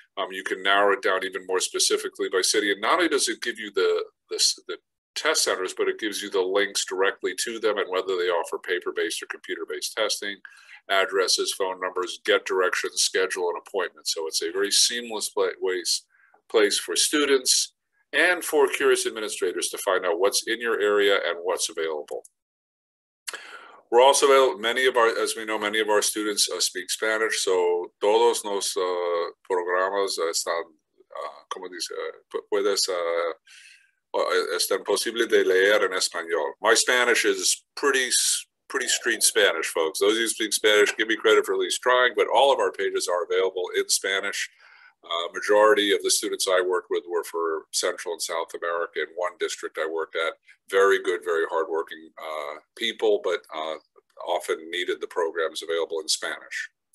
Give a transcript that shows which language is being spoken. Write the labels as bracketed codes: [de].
[en] You can narrow it down even more specifically by city. And not only does it give you the test centers, but it gives you the links directly to them and whether they offer paper-based or computer-based testing, addresses, phone numbers, get directions, schedule an appointment. So it's a very seamless place for students and for curious administrators to find out what's in your area and what's available. We're also available, many of our students speak Spanish, so [es] todos los programas están, como dice, puedes, están posible de leer en español. [en] My Spanish is pretty street Spanish, folks. Those of you who speak Spanish, give me credit for at least trying, but all of our pages are available in Spanish. Majority of the students I worked with were for Central and South America. In one district I worked at, very good, very hardworking people, but often needed the programs available in Spanish.